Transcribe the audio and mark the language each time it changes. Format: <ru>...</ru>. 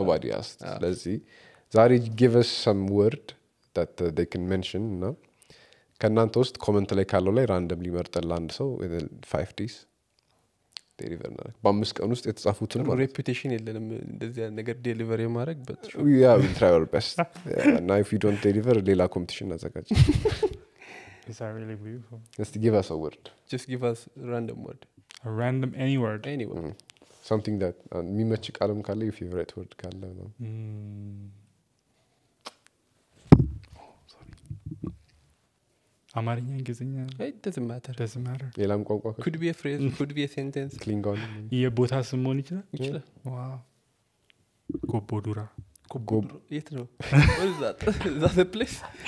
<en>nobody asked</en> <am>ስለዚህ ዛሬ</am> <en>give us some word that they can mention</en> <am>no ከናንተ ውስጥ ኮመንት ላይ ካለው ላይ randomly መርጠል አንድ ሰው</am> <en>in 5 days deliver</en> <am>ነው በአምስት ቀን ውስጥ የተጻፉትን ነው reputation የለንም እንደዚህ አይነት ነገር deliver የማድረግ but</am> <en>yeah we try our best and if you don't deliver</en> <am>ሌላ competition አዘጋጅ</am> <en>is that really beautiful just give us a word just give us random word a random any word any word something that</en> <am>የሚመች ቃልም ካለ</am> <en>your favorite word</en> <am>ካለ ነው</am> <en>sorry</en> <am>አማርኛ እንግሊዝኛ</am> <en>it doesn't matter doesn't matter</en> <am>ሌላም ቋንቋ</am> <en>could be a phrase could be a sentence klingon</en> <am>የቦታ ስም ሆን ይችላል ይችላል</am> <en>wow gobodura gobodura</en> <am>የት ነው</am> <en>what is that is that the place</en>